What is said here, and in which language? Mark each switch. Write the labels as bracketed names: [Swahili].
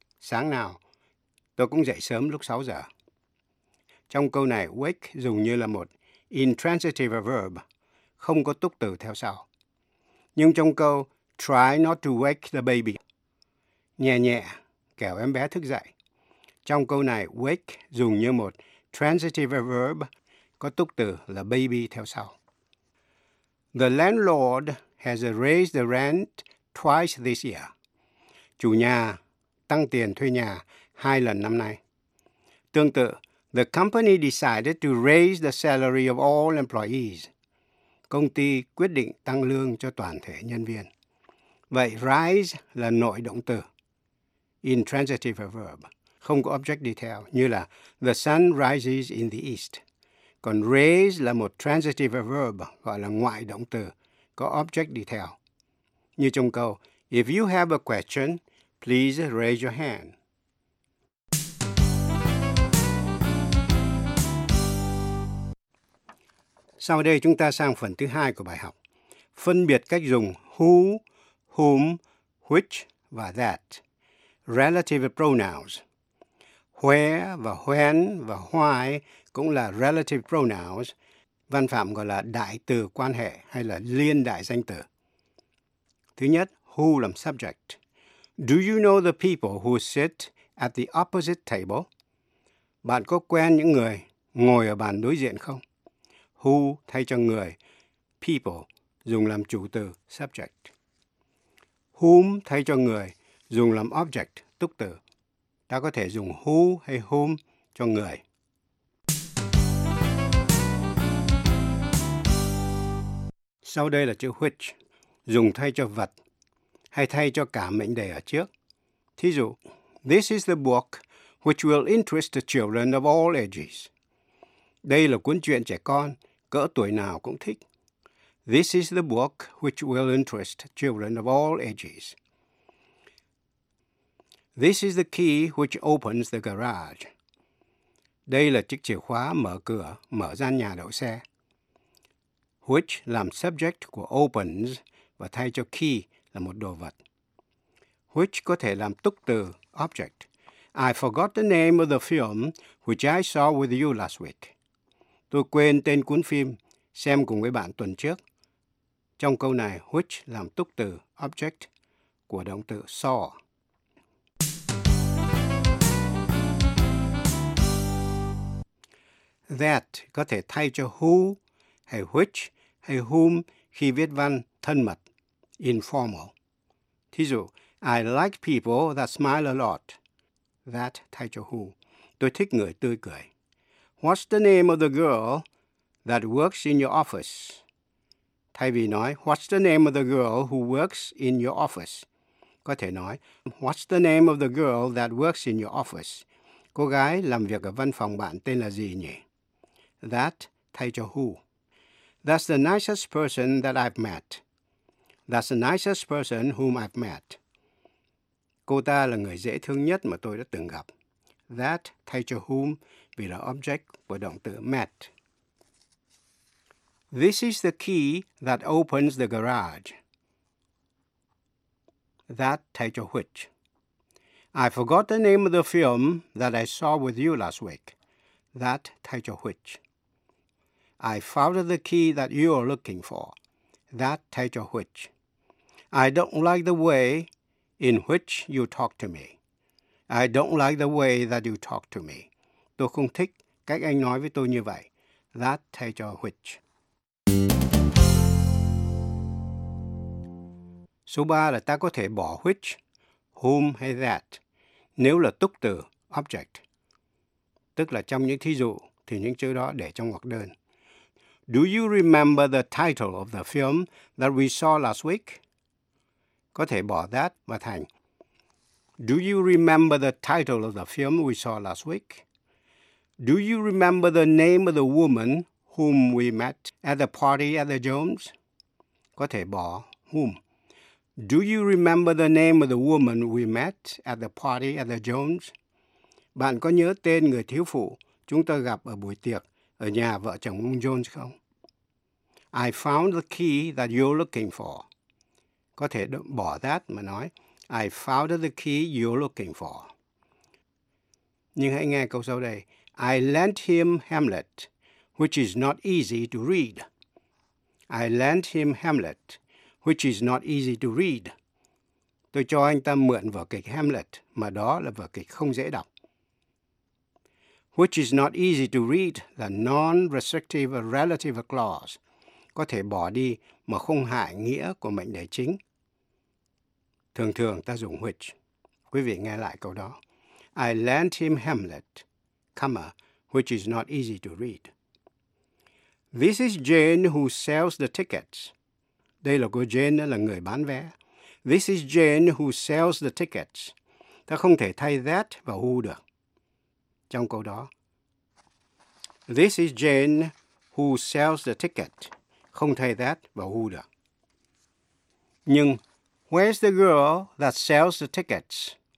[Vietnamese] Sáng nào, tôi cũng dậy sớm lúc 6 giờ. Trong câu này, wake dùng như là một intransitive verb, không có túc từ theo sau. Nhưng trong câu, [English] try not to wake the baby, [Vietnamese] nhẹ nhẹ, kẻo em bé thức dậy. Trong câu này, wake dùng như một transitive verb, có túc từ là baby theo sau. [English] The landlord has raised the rent twice this year. [Vietnamese] Chủ nhà tăng tiền thuê nhà hai lần năm nay. Tương tự, [English] the company decided to raise the salary of all employees. [Vietnamese] Công ty quyết định tăng lương cho toàn thể nhân viên. Vậy, rise là nội động từ, intransitive verb. Không có [English] object detail, [Vietnamese] như là [English] the sun rises in the east. [Vietnamese] Còn raise là một transitive verb, gọi là ngoại động từ, có object detail. Như trong câu, [English] if you have a question, please raise your hand. [Vietnamese] Sau đây chúng ta sang phần thứ hai của bài học. Phân biệt cách dùng who, whom, which và that. Relative pronouns. Where và when và why cũng là relative pronouns, văn phạm gọi là đại từ quan hệ hay là liên đại danh từ. Thứ nhất, who làm subject. [English] Do you know the people who sit at the opposite table? [Vietnamese] Bạn có quen những người ngồi ở bàn đối diện không? Who thay cho người, people, dùng làm chủ từ, subject. Whom thay cho người, dùng làm object, túc từ. Ta có thể dùng who hay whom cho người. Sau đây là chữ which, dùng thay cho vật, hay thay cho cả mệnh đề ở trước. Thí dụ, [English] this is the book which will interest the children of all ages. [Vietnamese] Đây là cuốn truyện trẻ con, cỡ tuổi nào cũng thích. [English] This is the book which will interest children of all ages. This is the key which opens the garage. [Vietnamese] Đây là chiếc chìa khóa mở cửa, mở gian nhà đậu xe. Which làm subject của opens và thay cho key là một đồ vật. Which có thể làm túc từ, object. [English] I forgot the name of the film which I saw with you last week. [Vietnamese] Tôi quên tên cuốn phim xem cùng với bạn tuần trước. Trong câu này, which làm túc từ, object của động từ saw. That có thể thay cho who hay which hay whom khi viết văn thân mật, informal. Thí dụ, [English] I like people that smile a lot. [Vietnamese] That thay cho who. Tôi thích người tươi cười. [English] What's the name of the girl that works in your office? [Vietnamese] Thay vì nói, [English] what's the name of the girl who works in your office? [Vietnamese] Có thể nói, [English] what's the name of the girl that works in your office? [Vietnamese] Cô gái làm việc ở văn phòng bạn tên là gì nhỉ? That thay cho who. [English] That's the nicest person that I've met. That's the nicest person whom I've met. [Vietnamese] Cô ta là người dễ thương nhất mà tôi đã từng gặp. That thay cho whom vì là object của động từ met. [English] This is the key that opens the garage. That [Vietnamese] thay cho [English] which. I forgot the name of the film that I saw with you last week. That [Vietnamese] thay cho [English] which. I found the key that you are looking for. That [Vietnamese] thay cho [English] which. I don't like the way in which you talk to me. I don't like the way that you talk to me. [Vietnamese] Tôi không thích cách anh nói với tôi như vậy. That thay cho which. Số 3 là ta có thể bỏ which, whom hay that nếu là túc từ, object. Tức là trong những thí dụ thì những chữ đó để trong ngoặc đơn. [English] Do you remember the title of the film that we saw last week? [Vietnamese] Có thể bỏ that mà thành. [English] Do you remember the title of the film we saw last week? Do you remember the name of the woman whom we met at the party at the Jones? [Vietnamese] Có thể bỏ whom. [English] Do you remember the name of the woman we met at the party at the Jones? [Vietnamese] Bạn có nhớ tên người thiếu phụ chúng ta gặp ở buổi tiệc ở nhà vợ chồng ông Jones không? [English] I found the key that you're looking for. [Vietnamese] Có thể bỏ that mà nói, [English] I found the key you're looking for. [Vietnamese] Nhưng hãy nghe câu sau đây. [English] I lent him Hamlet, which is not easy to read. I lent him Hamlet, which is not easy to read. [Vietnamese] Tôi cho anh ta mượn vở kịch Hamlet, mà đó là vở kịch không dễ đọc. [English] Which is not easy to read, the non-restrictive relative clause. [Vietnamese] Có thể bỏ đi mà không hại nghĩa của mệnh đề chính. Thường thường ta dùng which. Quý vị nghe lại câu đó. [English] I lent him Hamlet, comma, which is not easy to read. This is Jane who sells the tickets. [Vietnamese] Đây là cô Jane, là người bán vé. [English] This is Jane who sells the tickets. [Vietnamese] Ta không thể thay that và who được. Trong câu đó, [English] this is Jane who sells the ticket. [Vietnamese] Không thay that và who được. Nhưng, [English] where's the girl that sells the tickets?